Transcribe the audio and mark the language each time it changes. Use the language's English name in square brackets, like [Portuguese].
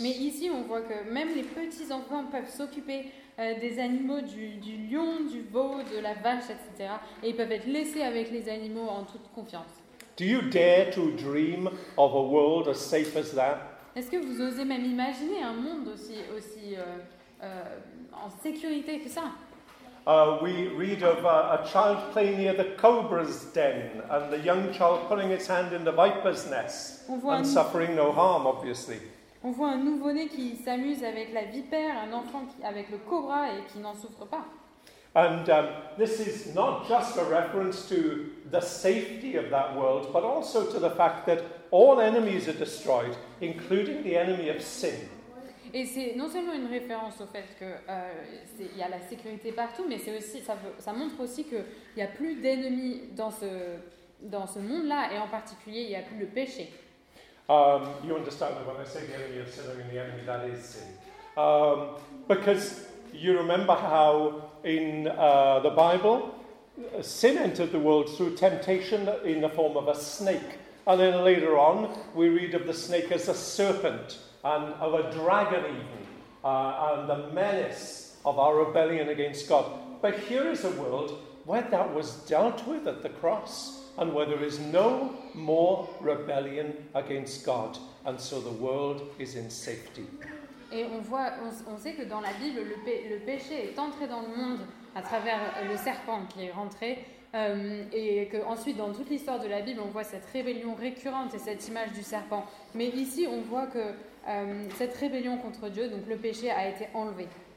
[French] Mais ici, on voit que même les petits enfants peuvent s'occuper des animaux, du lion, du veau, de la vache, etc. Et ils peuvent être laissés avec les animaux en toute confiance. [English] Do you dare to dream of a world as safe as that? [French] Est-ce que vous osez même imaginer un monde aussi en sécurité que ça? [English] We read of a child playing near the cobra's den, and the young child putting its hand in the viper's nest and suffering no harm, obviously. [French] On voit un nouveau-né qui s'amuse avec la vipère, un enfant avec le cobra et qui n'en souffre pas. [English] And this is not just a reference to the safety of that world, but also to the fact that all enemies are destroyed, including the enemy of sin. [French] Et c'est non seulement une référence au fait que il y a la sécurité partout, mais c'est aussi ça montre aussi que il y a plus d'ennemis dans ce monde-là, et en particulier il y a plus le péché. [English] You understand that when I say the enemy of sin, I mean the enemy that is sin, because you remember how in the Bible sin entered the world through temptation in the form of a snake, and then later on we read of the snake as a serpent. And of a dragon even, and the menace of our rebellion against God. But here is a world where that was dealt with at the cross, and where there is no more rebellion against God, and so the world is in safety. [French] Et on sait que dans la Bible, le péché est entré dans le monde à travers le serpent qui est rentré, et que ensuite dans toute l'histoire de la Bible, on voit cette rébellion récurrente et cette image du serpent. Mais ici, on voit que cette rébellion contre Dieu, donc le péché, a été enlevé.